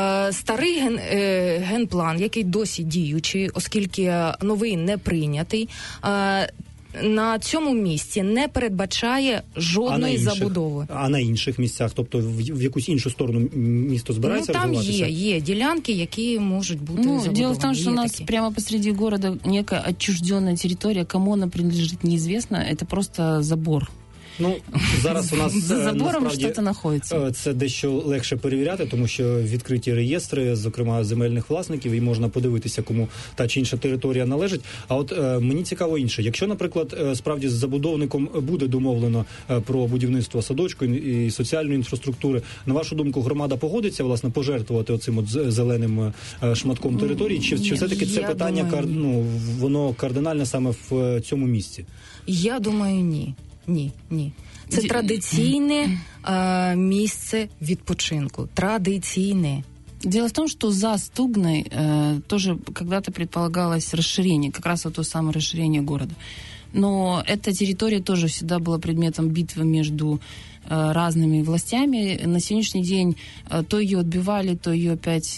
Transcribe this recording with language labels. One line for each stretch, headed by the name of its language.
Ukrainian: Старий генплан, який досі діючий, оскільки новий не прийнятий, на цьому місці не передбачає жодної забудови. А на інших місцях? Тобто в якусь іншу сторону місто збирається розвиватися? Ну, там є ділянки, які можуть бути забудовані.
Russian: Ну, дело в том, что у нас прямо посреди города некая отчужденная территория, кому она принадлежит, неизвестно, это просто забор.
Ukrainian: Ну, зараз у нас за забором щось знаходиться. Це дещо легше перевіряти, тому що відкриті реєстри, зокрема земельних власників, і можна подивитися, кому та чи інша територія належить. А от мені цікаво інше. Якщо, наприклад, справді з забудовником буде домовлено про будівництво садочку і соціальної інфраструктури, на вашу думку, громада погодиться, власне, пожертвувати оцим от зеленим шматком території, чи все-таки це питання, ну, воно кардинальне саме в цьому місці? Я думаю, ні. Ні. Це традиційне місце відпочинку. Традиційне.
Russian: Дело в том, что за Стугной тоже когда-то предполагалось расширение, как раз вот то самое расширение города. Но эта территория тоже всегда была предметом битвы между разными властями. На сегодняшний день то ее отбивали, то ее опять...